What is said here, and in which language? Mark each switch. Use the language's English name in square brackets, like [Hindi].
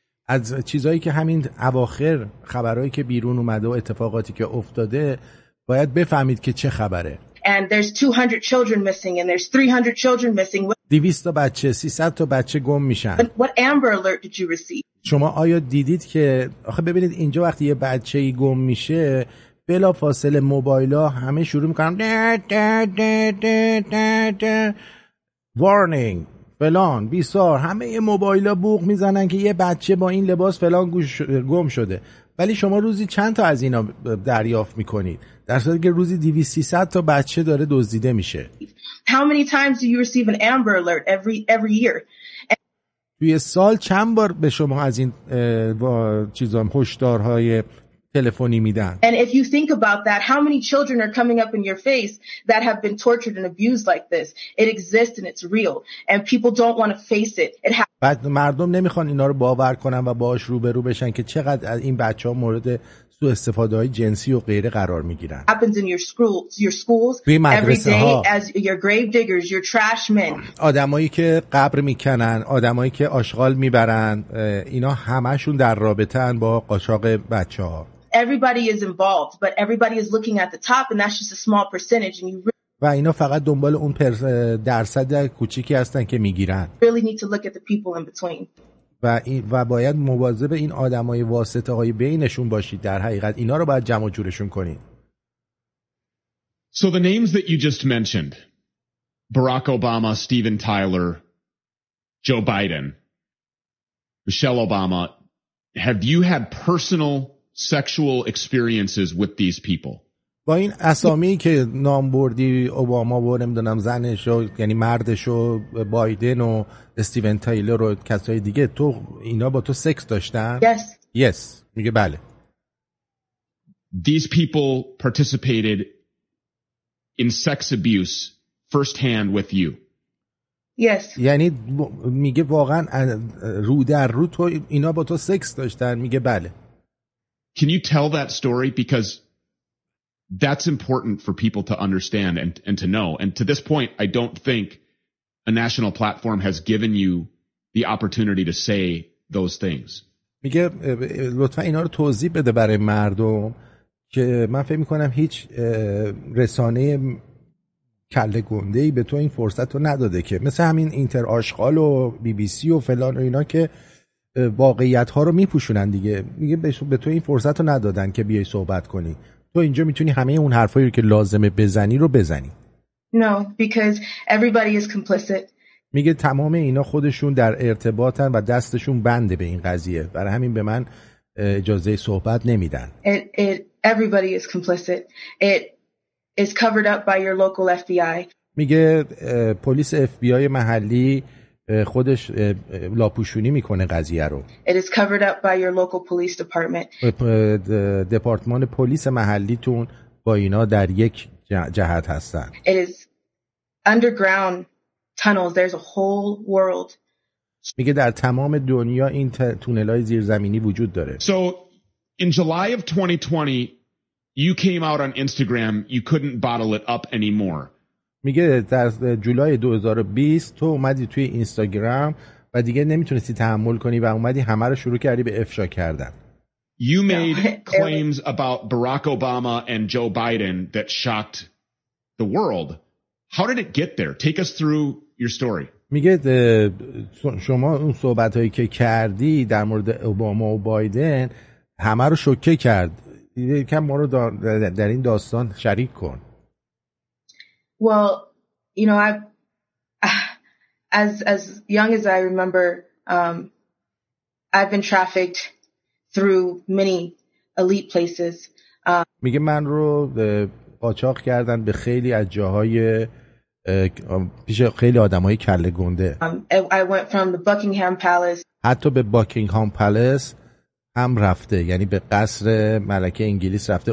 [Persian] از چیزایی که همین اواخر خبرایی که بیرون اومده و اتفاقاتی که افتاده باید بفهمید که چه خبره. [English] And there's 200 children missing and there's 300 children missing. [Persian] 200 تا بچه، 300 تا بچه گم میشن. [English] But what Amber alert did you receive? [Persian] شما آیا دیدید که آخه ببینید اینجا وقتی یه بچه گم میشه بلافاصله موبایل‌ها همه شروع می‌کنن warning فلان بیسار همه یه موبایلا بوق میزنن که یه بچه با این لباس فلان گم شده، ولی شما روزی چند تا از اینا دریافت میکنید در صورتی که روزی 200-300 تا بچه داره دزدیده میشه. [English] How many times do you receive an Amber alert every year? [Persian] توی سال چند بار به شما از این چیزا هشدارهای تلفنی میدن؟ [English] And if you think about that, how many children are coming up in your face that have been tortured and abused like this? It exists and it's real and people don't want to face it. [Persian] بعد مردم نمیخوان اینا رو باور کنن و باهاش روبرو بشن که چقدر از این بچه ها مورد سوء استفاده های جنسی و غیره قرار میگیرن. [English] Happens in your schools, [Persian] توی مدرسه ها. [English] As your grave diggers, your trash men. [Persian] آدمایی که قبر میکنن، آدمایی که آشغال میبرن، اینا همشون در رابطه ان با قاچاق بچه ها. [English] Everybody is involved, but everybody is looking at the top and that's just a small percentage and you [Persian] و اینا فقط دنبال اون درصد کوچیکی هستن که میگیرن. [English] Really need to look at the people in between. [Persian] و باید مواظب این آدمای واسطه های بینشون باشید در حقیقت. اینا رو باید جمع جورشون کنید. [English] So the names that you just mentioned, Barack Obama, Steven Tyler, Joe Biden, Michelle Obama, have you had personal sexual experiences with these people? [Persian] با این اسامی که نام بردی، اوباما و نمیدونم زنش و یعنی مردش و بایدن و استیون تایلر و کسای دیگه، تو اینا با تو سکس داشتن؟ [English] Yes. [Persian] Yes. میگه بله. [English] These people participated in sex abuse firsthand with you. Yes. [Persian] یعنی میگه واقعا رو در رو تو اینا با تو سکس داشتن؟ میگه بله. [English] Can you tell that story because that's important for people to understand and to know. And to this point, I don't think a national platform has given you the opportunity to say those things. [Persian] میگه لطفا اینا رو توضیح بده برای مردم که من فکر می‌کنم هیچ رسانه کله گنده‌ای به تو این فرصت رو نداده که مثل همین اینتر آشغال و بی بی سی و فلان و اینا که واقعیت‌ها رو می‌پوشونن دیگه. میگه به تو این فرصت رو ندادن که بیای صحبت کنی. تو اینجا میتونی همه اون حرفایی رو که لازمه بزنی رو بزنی. [English] No, because everybody is complicit. [Persian] میگه تمام اینا خودشون در ارتباطن و دستشون بنده به این قضیه. برای همین به من اجازه صحبت نمیدن. [English] Everybody is complicit. It is covered up by your local FBI. [Persian] میگه پلیس FBI محلی خودش لاپوشونی میکنه قضیه رو. [English] It is covered up by your local police department. [Persian] دپارتمان پلیس محلیتون با اینا در یک جهت هستن. [English] It is underground tunnels. There's a whole world. [Persian] میگه در تمام دنیا این تونل‌های زیرزمینی وجود داره. [English] So in July of 2020 you came out on Instagram, you couldn't bottle it up anymore. [Persian] میگه در جولای 2020 تو اومدی توی اینستاگرام و دیگه نمیتونستی تحمل کنی و اومدی همه رو شروع کردی به افشا کردن. [English] You made claims about Barack Obama and Joe Biden that shocked the world. How did it get there? Take us through your story. [Persian] میگه شما اون صحبتایی که کردی در مورد اوباما و بایدن همه رو شوکه کرد. یکم ما رو در این داستان شریک کن. [English] Well, you know, as young as I remember, I've been trafficked through many elite places. [Persian] میگه من رو قاچاق کردن به خیلی از جاهای پیش خیلی آدمای کله گنده. [English] I went from the Buckingham Palace. [Persian] حتی به Buckingham Palace هم رفته، یعنی به قصر ملکه انگلیس رفته.